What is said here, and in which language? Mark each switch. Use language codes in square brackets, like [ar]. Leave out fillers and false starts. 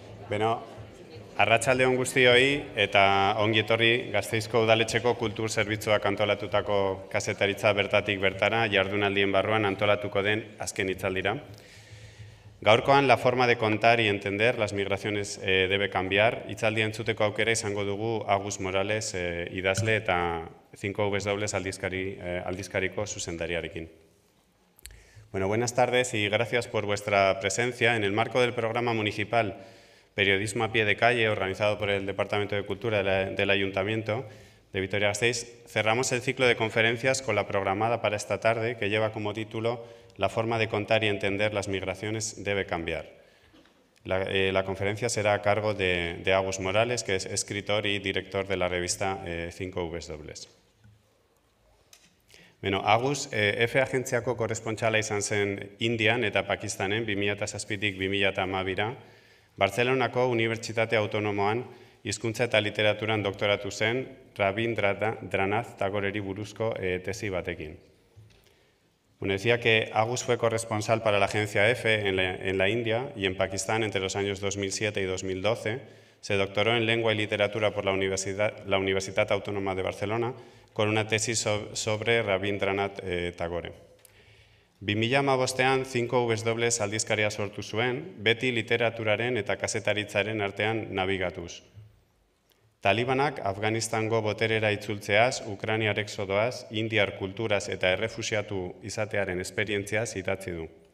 [eu] Bueno, arratsaldeon guztioi eta ongi etorri Gasteizko udaletxeko kultur zerbitzuak antolatutako kazetaritza bertatik bertara jardunaldien barruan antolatuko den azken hitzaldira. Gaurkoan [es] la forma de contar y entender las migraciones debe cambiar. [eu] Hitzaldia entzuteko aukera izango dugu Agus Morales idazle eta 5W aldizkariko zuzendariarekin. [es] Bueno, buenas tardes y gracias por vuestra presencia en el marco del programa municipal Periodismo a pie de calle, organizado por el Departamento de Cultura del Ayuntamiento de Vitoria-Gasteiz. Cerramos el ciclo de conferencias con la programada para esta tarde, que lleva como título La forma de contar y entender las migraciones debe cambiar. La conferencia será a cargo de Agus Morales, que es escritor y director de la revista 5W. [eu] Bueno, Agus, EFE agentziako korrespontsala izan zen Indian eta Pakistanen 2007-tik 2012-ra, Bartzelonako Unibertsitate Autonomoan hizkuntza eta literaturan doktoratu zen Rabindranath Tagoreri buruzko tesi batekin. [es] Bueno, decía que Agus fue corresponsal para la agencia EFE en la India y en Pakistán entre los años 2007 y 2012. Se doctoró en lengua y literatura por la Universitat Autónoma de Barcelona con una tesis sobre Rabindranath Tagore. [eu] 2015ean 5W aldizkaria sortu zuen, beti literaturaren eta kazetaritzaren artean nabigatuz. Talibanak Afganistango boterera itzultzeaz, Ukrainiar exodoaz, Indiar kulturaz eta errefusiatu izatearen esperientziaz idatzi du.